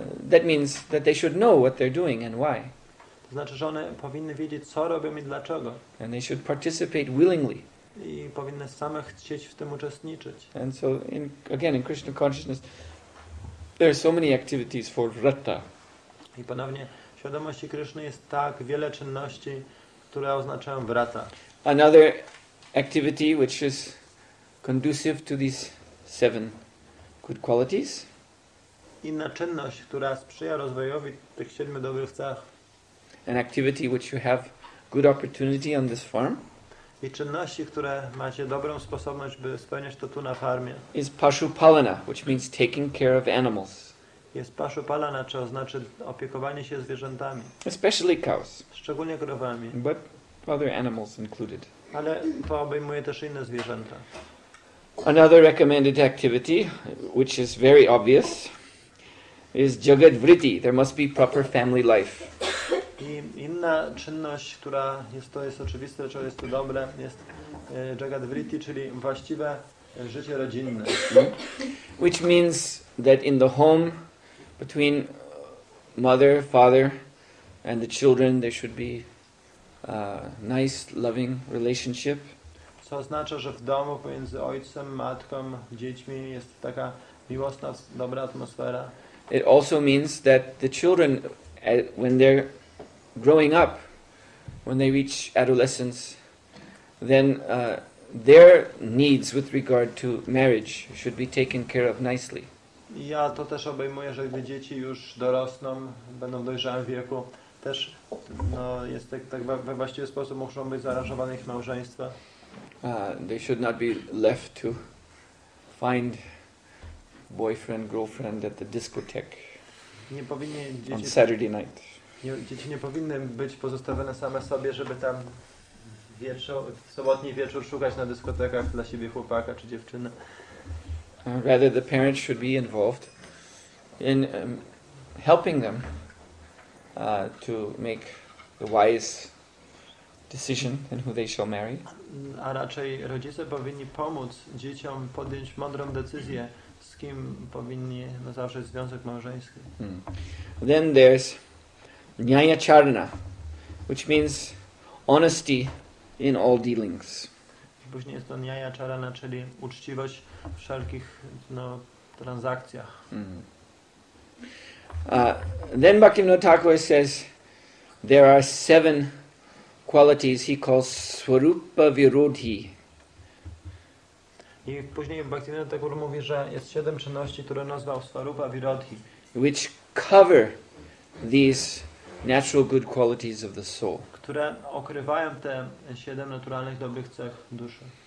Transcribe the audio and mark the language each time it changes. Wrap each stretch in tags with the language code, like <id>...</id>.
<en>That means that they should know what they're doing and why.</en> <pl>To znaczy, że one powinny wiedzieć, co robią i dlaczego.</pl> <en>And they should participate willingly.</en> <pl>I powinny same chcieć w tym uczestniczyć.</pl> <en>And so, in Krishna consciousness, there are so many activities for vrata.</en> <pl>I ponownie, w świadomości Kryszny jest tak wiele czynności, które oznaczają vrata.</pl> <en>Another activity which is conducive to these seven good qualities.</en> <pl>Inna czynność, która sprzyja rozwojowi tych siedmiu dobrych cech.</pl> <en>An activity which you have good opportunity on this farm.</en> <pl>I czynności, które macie dobrą sposobność, by spełniać to tu na farmie.</pl> <en>Is pashupalana, which means taking care of animals.</en> <pl>Jest pashupalana, czy oznacza opiekowanie się zwierzętami.</pl> <en>Especially cows.</en> <pl>Szczególnie krowami.</pl> <en>But other animals included.</en> <pl>Ale to obejmuje też inne zwierzęta.</pl> <en>Another recommended activity, which is very obvious, is jagat vritti. There must be proper family life.</en> <pl>I inna czynność, która jest to jest oczywiste, czy jest to dobre, jest jagat vritti, czyli właściwe życie rodzinne.</pl> <en>Which means that in the home, between mother, father, and the children, there should be a nice, loving relationship.</en> <pl>Co oznacza, że w domu pomiędzy ojcem, matką, dziećmi jest taka miłosna, dobra atmosfera.</pl> <en>It also means that the children, when they're growing up, when they reach adolescence, then their needs with regard to marriage should be taken care of nicely.</en> <pl>Ja to też obejmuję, że gdy dzieci już dorosną, będą w dojrzałym wieku, też no, jest tak we właściwy sposób muszą być zaaranżowane ich małżeństwa.</pl> <en>They should not be left to find boyfriend, girlfriend at the discotheque.</en> <pl>Nie powinny dzieci,</pl> <en>on Saturday night.</en> <pl>Dzieci nie powinny być pozostawione same sobie, żeby tam w sobotni wieczór szukać na dyskotekach dla siebie chłopaka czy dziewczyny.</pl> <en>Rather the parents should be involved in helping them to make the wise decision and who they shall marry.</en> <pl>A raczej rodzice powinni pomóc dzieciom podjąć mądrą decyzję, z kim powinni zawrzeć związek małżeński.</pl> <en>Then there's nyayacharna, which means honesty in all dealings.</en> <pl>Później jest to nyayacharana, czyli uczciwość w wszelkich transakcjach.</pl> <en>Then Bhaktivinoda Thakura says there are seven qualities he calls swarupa virodhi.</en> <pl>I później Bhaktivinoda Thakura mówi, że jest siedem czynności, które nazwał swarupa virodhi,</pl> <en>which cover these natural good qualities of the soul.</en> <pl>Które okrywają te siedem naturalnych dobrych cech duszy.</pl>